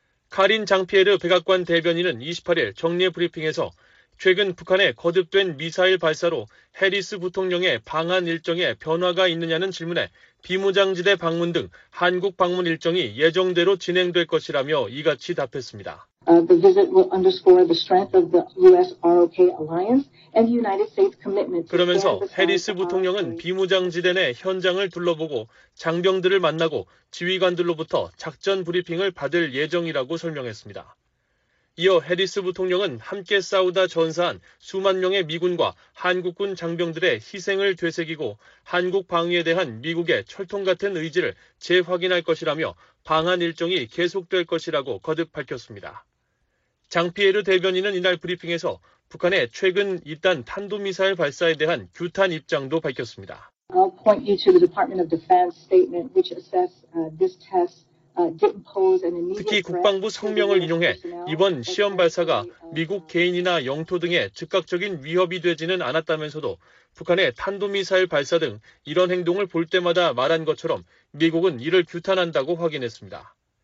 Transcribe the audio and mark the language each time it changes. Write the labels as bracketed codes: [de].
[ko] 카린 장피에르 백악관 대변인은 28일 정례 브리핑에서 최근 북한의 거듭된 미사일 발사로 해리스 부통령의 방한 일정에 변화가 있느냐는 질문에 비무장지대 방문 등 한국 방문 일정이 예정대로 진행될 것이라며 이같이 답했습니다. [en] The visit will underscore the strength of the U.S. ROK alliance and the United States commitment. [ko] 그러면서 해리스 부통령은 비무장지대 내 현장을 둘러보고 장병들을 만나고 지휘관들로부터 작전 브리핑을 받을 예정이라고 설명했습니다. 이어 해리스 부통령은 함께 싸우다 전사한 수만 명의 미군과 한국군 장병들의 희생을 되새기고 한국 방위에 대한 미국의 철통 같은 의지를 재확인할 것이라며 방한 일정이 계속될 것이라고 거듭 밝혔습니다. 장피에르 대변인은 이날 브리핑에서 북한의 최근 잇단 탄도미사일 발사에 대한 규탄 입장도 밝혔습니다. [en] I'll point you to the Department of Defense statement which assess this test. [ko] 특히 국방부 성명을 인용해 이번 시험 발사가 미국 개인이나 영토 등에 즉각적인 위협이 되지는 않았다면서도 북한의 탄도미사일 발사 등 이런 행동을 볼 때마다 말한 것처럼 미국은 이를 규탄한다고 확인했습니다.